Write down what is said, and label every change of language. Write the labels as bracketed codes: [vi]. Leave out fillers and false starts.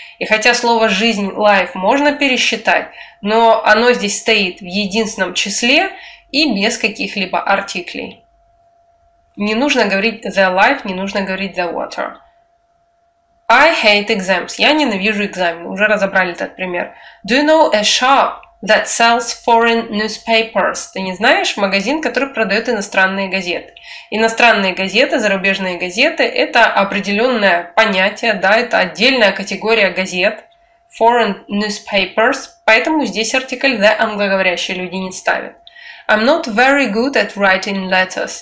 [ru] И хотя слово «жизнь» – life – можно пересчитать, но оно здесь стоит в единственном числе – и без каких-либо артиклей. Не нужно говорить the life, не нужно говорить the water. [en] I hate exams. [ru] Я ненавижу экзамены. Уже разобрали этот пример. [en] Do you know a shop that sells foreign newspapers? [ru] Ты не знаешь магазин, который продает иностранные газеты? Иностранные газеты, зарубежные газеты – это определенное понятие, да, это отдельная категория газет. [en] Foreign newspapers. [ru] Поэтому здесь артикль the англоговорящие люди не ставят. [en] I'm not very good at writing letters.